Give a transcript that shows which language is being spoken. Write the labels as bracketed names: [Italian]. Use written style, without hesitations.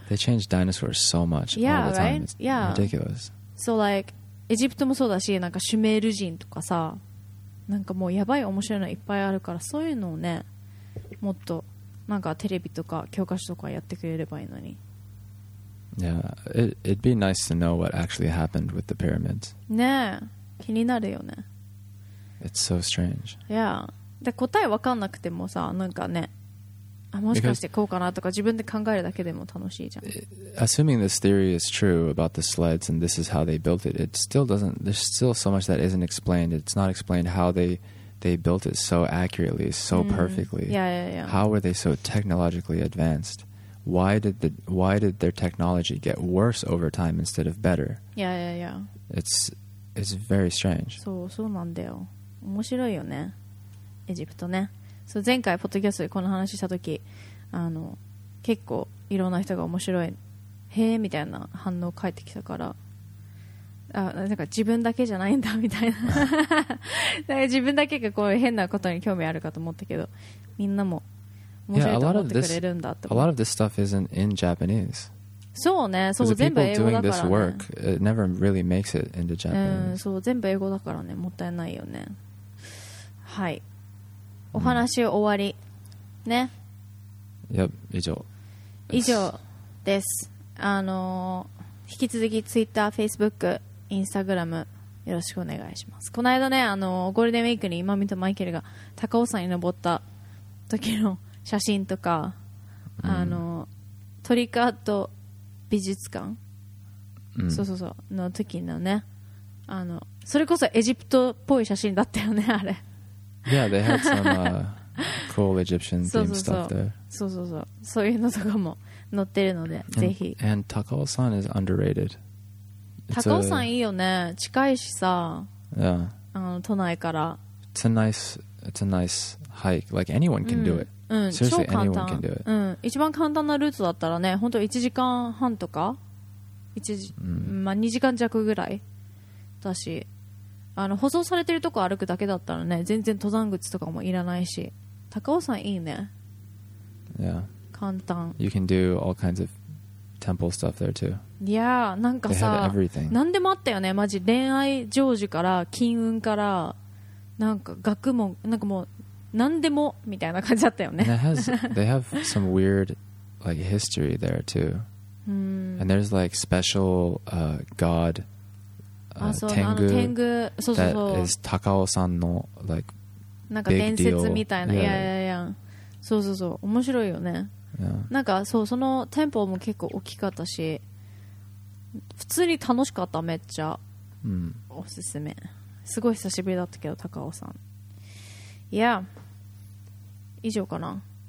[English] They changed dinosaurs so much all the time. It's ridiculous. [Japanese] So like エジプトもそうだし、なんかシュメール人とかさ、なんかもうやばい面白いのいっぱいあるから、そういうのをね、もっとなんかテレビとか教科書とかやってくれればいいのに。 [English] Yeah, it'd be nice to know what actually happened with the pyramids. [Japanese] ねえ、気になるよね。 [English] It's so strange. Yeah. [Japanese] で、答え分かんなくてもさ、なんかね、あ、もしかしてこうかなとか自分で考えるだけでも楽しいじゃん。 [English] Assuming this theory is true about the sleds and this is how they built it, it still doesn't, there's still so much that isn't explained. It's not explained how they built it so accurately, so perfectly. Yeah, yeah, yeah. How were they so technologically advanced? Why did their technology get worse over time instead of better? Yeah, yeah, yeah. It's very strange. [Japanese] そう、そうなんだよ。面白いよね、エジプトね。そう、前回ポッドキャストでこの話した時、あの結構いろんな人が面白い、へーみたいな反応返ってきたから、あ、なんか自分だけじゃないんだみたいな自分だけがこう変なことに興味あるかと思ったけど、みんなも面白いと思ってくれるんだって。 [English] A lot of this stuff isn't in Japanese. [Japanese] そうね、そう、全部英語だからね。 [English] People doing this work, it never really makes it into Japanese. [Japanese] そう、全部英語だからね、もったいないよね。はい、お話終わりね。 Yep, 以上。以上です。引き続きツイッター、フェイスブック、インスタグラムよろしくお願いします。この間ね、ゴールデンウィークに今見たマイケルが高尾山に登った時の写真とか、トリックアート美術館、そうそうそう、の時のね、それこそエジプトっぽい写真だったよね、あれ。 [English] Yeah, they had some cool Egyptian themed stuff there. [Japanese] そうそうそう。そういうのとかも載ってるので、ぜひ。 [English] And Takao San is underrated. [Japanese] Takao San いいよね。近いしさ。 [English] Yeah. [Japanese] 都内から。 [English] It's a nice hike. Like anyone can do it. Seriously, anyone can do it. [Japanese] 一番簡単なルートだったらね、本当1時間半とか、2時間弱ぐらいだし。舗装されてるとこ歩くだけだったらね、全然登山靴とかもいらないし、高尾山いいね。 [English] Yeah. [Japanese] 簡単。 [English] You can do all kinds of temple stuff there too. [Japanese] Yeah, なんかさ、何でもあったよね、マジ。恋愛成就から、金運から、なんか学問、なんかもう、何でもみたいな感じだったよね。 [English] They have some weird, like, history there too. And there's like special, god. Tengu, that is Takao san no like big deal. Yeah. So so so, [Japanese] 面白いよね。なんかそう、そのテンポも結構大きかったし、普通に楽しかった、めっちゃ。おすすめ。すごい久しぶりだったけど高尾さん。いや、以上かな。